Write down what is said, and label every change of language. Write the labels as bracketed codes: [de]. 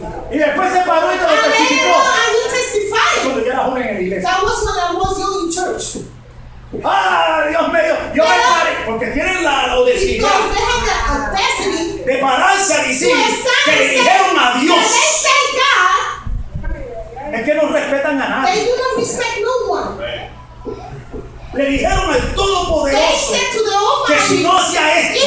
[es] Y después se paró y te lo testificó. [en] And you testify. [es] Cuando yo era joven en la iglesia. [en] That was when I was young in church. [es] Ah, Dios mío, yo me paré porque tienen la audacidad. Destiny. De pararse a decir que le dijeron a Dios. [en] They say God. [es] Es que no respetan a nadie. [en] They do not respect no one. [es] Le dijeron al Todopoderoso que si no hacía esto.